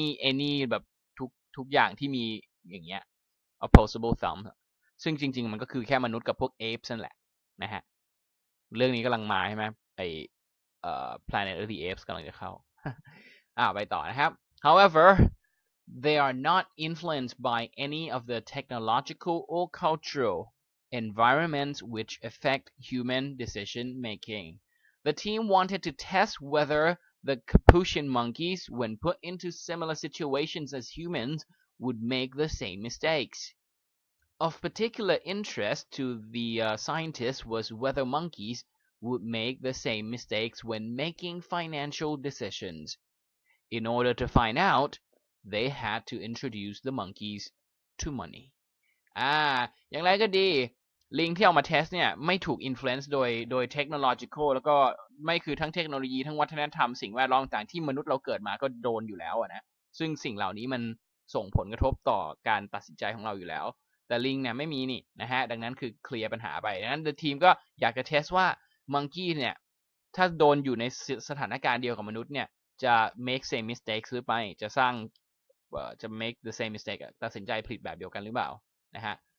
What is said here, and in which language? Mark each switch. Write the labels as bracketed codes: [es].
[en] any [th] แบบทุกอย่างที่มีอย่างเงี้ย [en] opposable thumb [th] ซึ่งจริงๆมันก็คือแค่มนุษย์กับพวก [en] apes [th] นั่นแหละนะฮะเรื่องนี้กำลังมาใช่ไหมไอ [en] planet of the apes [th] กำลังจะเข้า ไปต่อนะครับ [en] howeverthey are not influenced by any of the technological or culturalenvironments which affect human decision making. The team wanted to test whether the capuchin monkeys, when put into similar situations as humans, would make the same mistakes. Of particular interest to the scientists was whether monkeys would make the same mistakes when making financial decisions. In order to find out, they had to introduce the monkeys to money. [th] อย่างไรก็ดีลิงที่เอามาทดสอบเนี่ยไม่ถูกอินฟลูเอนซ์โดยเทคโนโลยีแล้วก็ไม่คือทั้งเทคโนโลยีทั้งวัฒนธรรมสิ่งแวดล้อมต่างที่มนุษย์เราเกิดมาก็โดนอยู่แล้วนะซึ่งสิ่งเหล่านี้มันส่งผลกระทบต่อการตัดสินใจของเราอยู่แล้วแต่ลิงเนี่ยไม่มีนี่นะฮะดังนั้นคือเคลียร์ปัญหาไปดังนั้นทีมก็อยากจะทดสอบว่ามังกี้เนี่ยถ้าโดนอยู่ในสถานการณ์เดียวกับมนุษย์เนี่ยจะ [en] make same mistakes [th] หรือไม่จะสร้างจะ [en] make the same mistake [th] ตัดสินใจผิดแบบเดียวกันหรือเปล่านะฮะ